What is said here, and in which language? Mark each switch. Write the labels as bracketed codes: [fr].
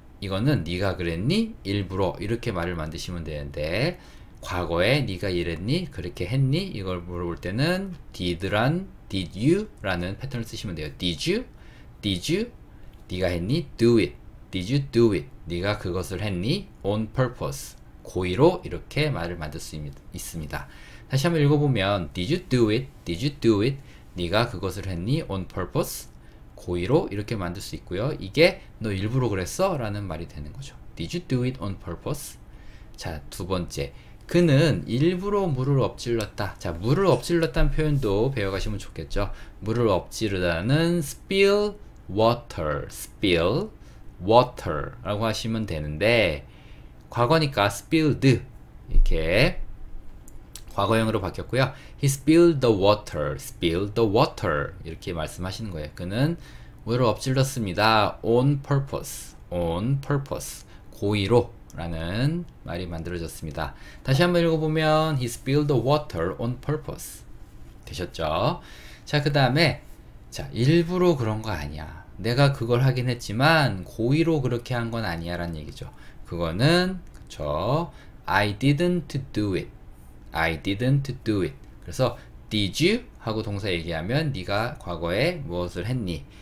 [ko] 이거는 네가 그랬니? 일부러 이렇게 말을 만드시면 되는데, 과거에 네가 이랬니? 그렇게 했니? 이걸 물어볼 때는 did란 did you? 라는 패턴을 쓰시면 돼요. [en] Did you? Did you? [ko] 네가 했니? [en] Do it. Did you do it? [ko] 네가 그것을 했니? [en] On purpose. [ko] 고의로 이렇게 말을 만들 수 있습니다. 다시 한번 읽어보면 [en] Did you do it? Did you do it? [ko] 네가 그것을 했니? [en] On purpose. [ko] 고의로 이렇게 만들 수 있고요. 이게 너 일부러 그랬어? 라는 말이 되는 거죠. [en] Did you do it on purpose? [ko] 자, 두 번째. 그는 일부러 물을 엎질렀다. 자, 물을 엎질렀다는 표현도 배워가시면 좋겠죠. 물을 엎지르다는 spill water, spill water라고 하시면 되는데, 과거니까 spilled 이렇게 과거형으로 바뀌었고요. [en] He spilled the water, spilled the water [ko] 이렇게 말씀하시는 거예요. 그는 물을 엎질렀습니다. [en] On purpose, on purpose, 고의로. [ko] 라는 말이 만들어졌습니다. 다시 한번 읽어보면 [en] He spilled the water on purpose. [ko] 되셨죠? 자, 그 다음에 자, 일부러 그런 거 아니야. 내가 그걸 하긴 했지만 고의로 그렇게 한건 아니야 라는 얘기죠. 그거는 그쵸? [en] I didn't do it. I didn't do it. 그래서 Did you? [ko] 하고 동사 얘기하면 네가 과거에 무엇을 했니?